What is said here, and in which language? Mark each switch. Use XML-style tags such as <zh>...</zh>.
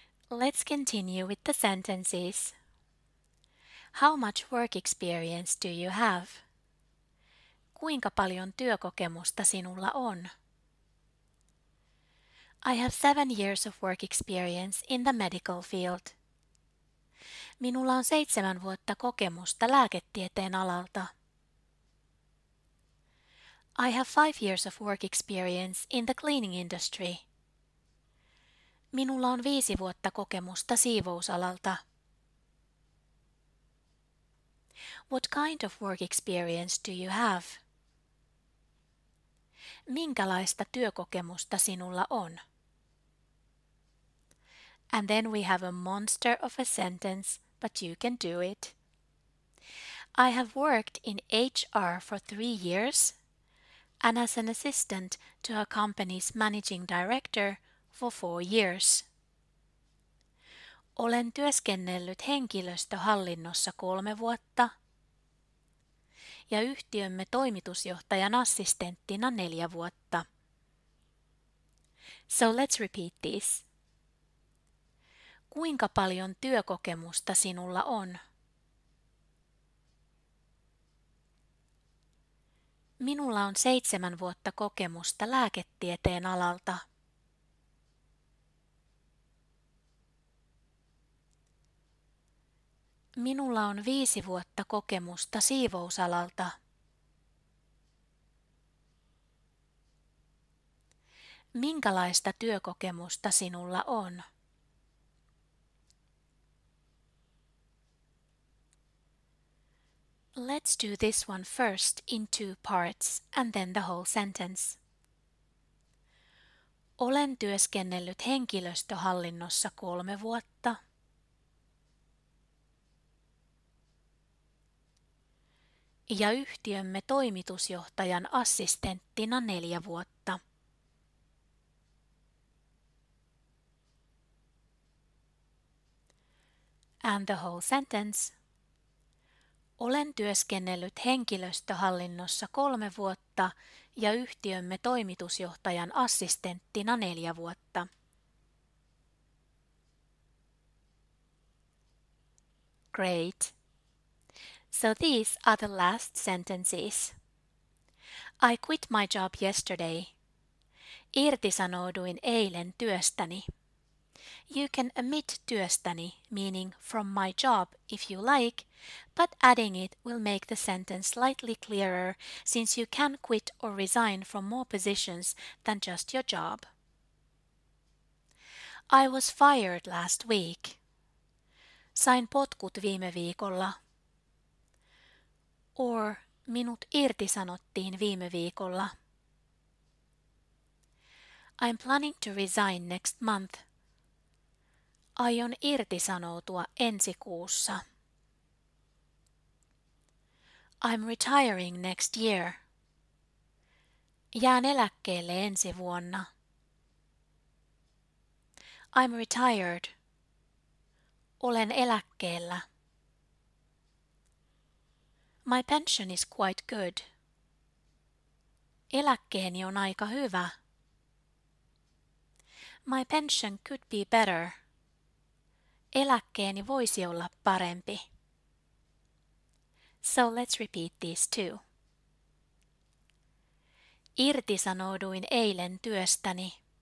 <en>Let's continue with the sentences. How much work experience do you have?</en> <fi>Kuinka paljon työkokemusta sinulla on?</fi> <en>I have 7 years of work experience in the medical field.</en> <fi>Minulla on 7 vuotta kokemusta lääketieteen alalta.</fi> <en>I have 5 years of work experience in the cleaning industry.</en> <fi>Minulla on 5 vuotta kokemusta siivousalalta.</fi> <en>What kind of work experience do you have?</en> <fi>Minkälaista työkokemusta sinulla on?</fi> <en>And then we have a monster of a sentence, but you can do it. I have worked in HR for 3 years and as an assistant to a company's managing director for 4 years.</en> <fi>Olen työskennellyt henkilöstöhallinnossa 3 vuotta ja yhtiömme toimitusjohtajan assistenttina 4 vuotta.</fi> <en>So let's repeat this.</en> <fi>Kuinka paljon työkokemusta sinulla on? Minulla on 7 vuotta kokemusta lääketieteen alalta. Minulla on 5 vuotta kokemusta siivousalalta. Minkälaista työkokemusta sinulla on?</fi> <en>Let's do this one first in 2 parts and then the whole sentence.</en> <fi>Olen työskennellyt henkilöstöhallinnossa 3 vuotta. Ja yhtiömme toimitusjohtajan assistenttina 4 vuotta.</fi> <en>And the whole sentence.</en> <fi>Olen työskennellyt henkilöstöhallinnossa 3 vuotta ja yhtiömme toimitusjohtajan assistenttina 4 vuotta.</fi> <en>Great. So these are the last sentences. I quit my job yesterday.</en> <fi>Irtisanouduin eilen työstäni.</fi> <en>You can omit työstäni, meaning from my job, if you like, but adding it will make the sentence slightly clearer since you can quit or resign from more positions than just your job. I was fired last week.</en> <fi>Sain potkut viime viikolla. Or minut irtisanottiin viime viikolla.</fi> <en>I'm planning to resign next month.</en> <fi>Aion irtisanoutua ensi kuussa.</fi> <en>I'm retiring next year.</en> <fi>Jään eläkkeelle ensi vuonna.</fi> <en>I'm retired.</en> <fi>Olen eläkkeellä.</fi> <en>My pension is quite good.</en> <fi>Eläkkeeni on aika hyvä.</fi> <en>My pension could be better.</en> <fi>Eläkkeeni voisi olla parempi.</fi> <en>So let's repeat these two.</en> <fi>Irtisanouduin eilen työstäni.</fi>